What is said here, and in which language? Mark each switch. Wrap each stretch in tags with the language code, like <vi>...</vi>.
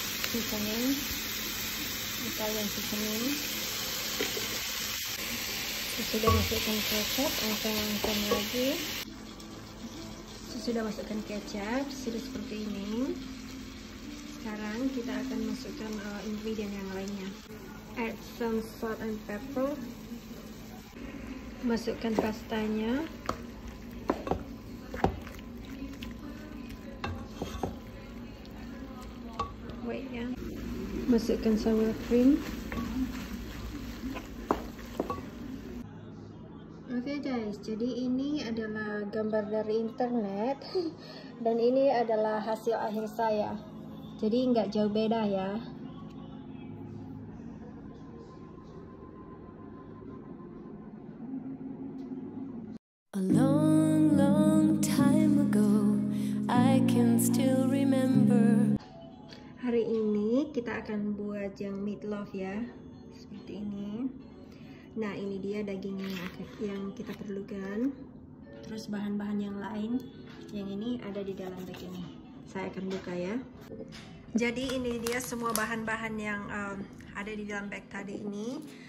<en>Seasoning. Italian seasoning.</en> <id>Sesudah masukkan kecap, oseng-oseng lagi. Sesudah masukkan kecap, sudah seperti ini. Sekarang kita akan masukkan ingredient yang lainnya.</id> <en>Add some salt and pepper.</en> <id>Masukkan pastanya. Wait ya. Masukkan sour cream. Oke guys, jadi ini adalah gambar dari internet dan ini adalah hasil akhir saya. Jadi nggak jauh beda ya.</id> <en>A long, long time ago, I can still remember.</en> <id>Hari ini kita akan buat yang meatloaf ya, seperti ini. Nah, ini dia dagingnya yang kita perlukan. Terus bahan-bahan yang lain, yang ini ada di dalam begini. Saya akan buka ya. Jadi ini dia semua bahan-bahan yang ada di dalam bag tadi ini.</id>